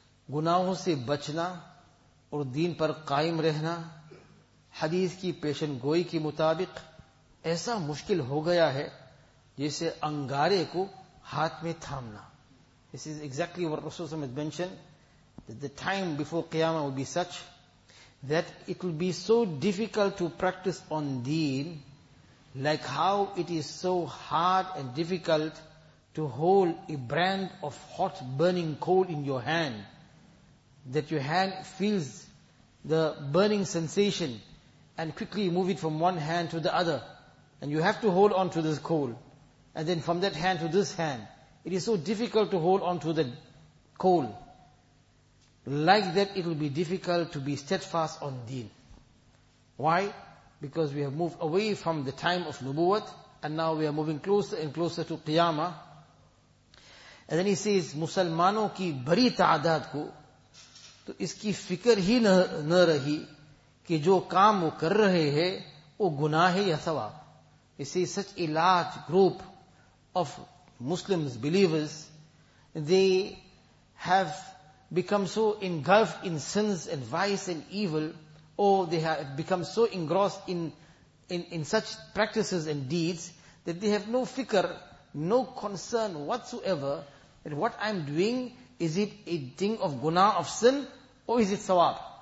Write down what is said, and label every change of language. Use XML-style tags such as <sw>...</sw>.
<ur>Gunahon se bachna اور دین پر قائم رہنا حدیث کی پیشن گوئی کے مطابق ایسا مشکل ہو گیا ہے جیسے انگارے کو ہاتھ میں تھامنا.</ur> <en>This is exactly what Rasul Sallallahu Alaihi Wasallam mentioned, that the time before Qiyamah will be such that it will be so difficult to practice on deen, like how it is so hard and difficult to hold a brand of hot burning coal in your hand, that your hand feels the burning sensation and quickly move it from one hand to the other. And you have to hold on to this coal. And then from that hand to this hand, it is so difficult to hold on to the coal. Like that, it will be difficult to be steadfast on deen. Why? Because we have moved away from the time of Nubuwat and now we are moving closer and closer to Qiyamah. And then he says,</en> <ur>Musalmano ki bari ta'adad ko, تو اس کی فکر ہی نہ رہی کہ جو کام وہ کر رہے ہیں وہ گناہ ہے یا ثواب.</ur> <en>It is such a large group of Muslims, believers, they have become so engulfed in sins and vice and evil, or they have become so engrossed in such practices and deeds that they have no fikr, no concern whatsoever that what I'm doing, is it a thing of guna, of sin, or is it sawab?</en>